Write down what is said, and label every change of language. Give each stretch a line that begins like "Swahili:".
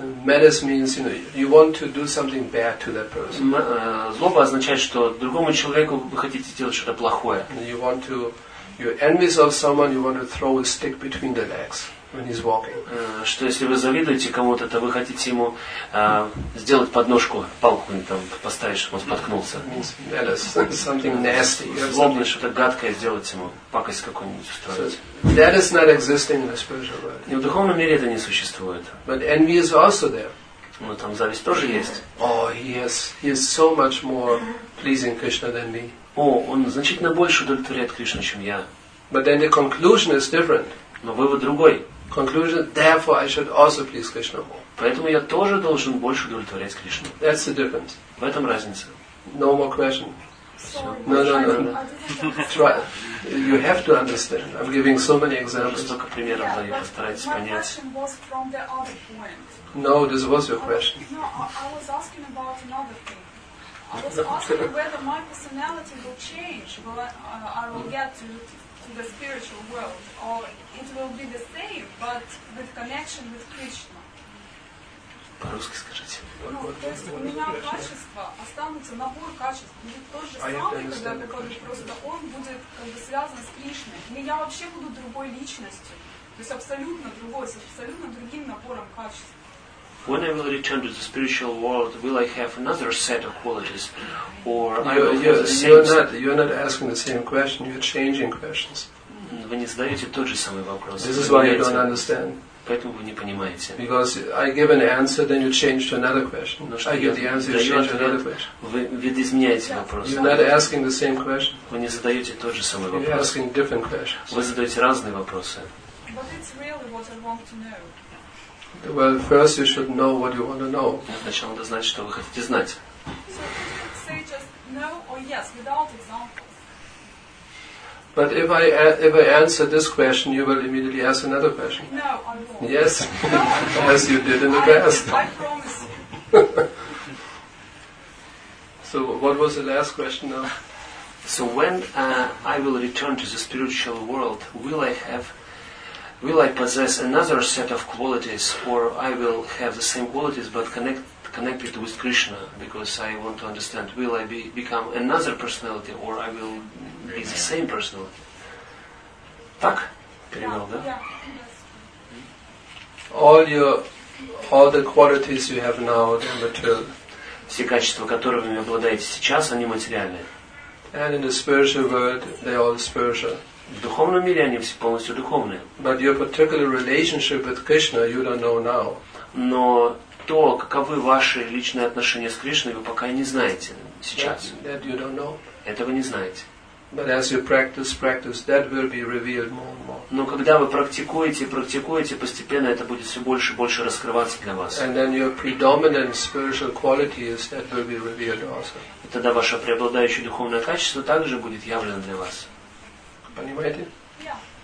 English: Malice means, you know, you want to do something bad to that person.
Russian: Злоба означает, что другому человеку вы хотите делать что-то плохое.
English: You want to, you're envious of someone, you want to throw a stick between the legs when he's walking.
Russian: Что если вы завидуете кому-то, то вы хотите ему сделать подножку, палку там поставить, чтобы он споткнулся.
English: Malice, something nasty.
Russian: Злобно, что-то гадкое сделать ему, пакость какую-нибудь устроить.
English: That is not existing in the spiritual world.
Russian: И в духовном мире это не существует.
English: But envy is also there.
Russian: Но там зависть тоже есть.
English: Oh, he is so much more pleasing Krishna than me.
Russian: О, он значительно больше удовлетворяет Кришну, чем я.
English: But then the conclusion is different.
Russian: Но вывод другой.
English: Conclusion, therefore I should also please Krishna more.
Russian: Поэтому я тоже должен больше удовлетворять Кришну.
English: That's the difference.
Russian: В этом разница.
English: No more question. So, no. You have to understand. I'm giving so many examples. Yeah, but my question was from the other point. No, this was your question. No, I was asking about another thing. I was asking whether my personality will change, I will get to the spiritual world, or it will be the same, but with connection with Krishna.
Russian: По-русски скажите. Ну, то есть у меня качества останутся, набор качеств будет тот же самый, когда ты говоришь, просто он будет как бы связан с Кришной. Или я вообще буду другой личностью. То есть абсолютно другой, с абсолютно другим набором качеств.
English: When I will return to the spiritual world, will I have another set of qualities, or You're not asking the same question, you're changing questions.
Russian: Вы не задаете тот же самый вопрос.
English: This is why you don't understand.
Russian: Поэтому вы не понимаете.
English: Because I give an answer, then you change to another question.
Russian: Но
English: I give the answer, you change to another question.
Russian: Вы ведь изменяете вопрос.
English: You're not asking the same question.
Russian: Вы не задаете тот же самый
English: you're
Russian: вопрос.
English: You're asking different questions.
Russian: Вы задаете разные вопросы.
English: But it's really what I want to know. Well, first you should know what you want to know.
Russian: Сначала надо знать, что вы хотите знать.
English: So you could say just no or yes, without examples. But if I answer this question, you will immediately ask another question. No, I won't. Yes, no, as you did in the past. I promise you. So what was the last question now? So when I will return to the spiritual world, will I possess another set of qualities, or I will have the same qualities but connected with Krishna? Because I want to understand, will I become another personality, or I will be the same personality?
Russian: Так? Перевел, да?
English: All the qualities you have now, the material.
Russian: Все качества, которыми вы обладаете сейчас, они материальные.
English: And in the spiritual world, they are all spiritual.
Russian: В духовном мире они все полностью духовные.
English: But your particular relationship with Krishna, you don't know now.
Russian: Но то, каковы ваши личные отношения с Кришной, вы пока не знаете сейчас.
English: That you don't know.
Russian: Этого не знаете.
English: But as you practice, that will be revealed more and more.
Russian: Но когда вы практикуете, постепенно это будет все больше и больше раскрываться для вас.
English: And then your predominant spiritual qualities, that will be revealed also.
Russian: И тогда ваше преобладающее духовное качество также будет явлено для вас. Понимаете?
English: Yeah.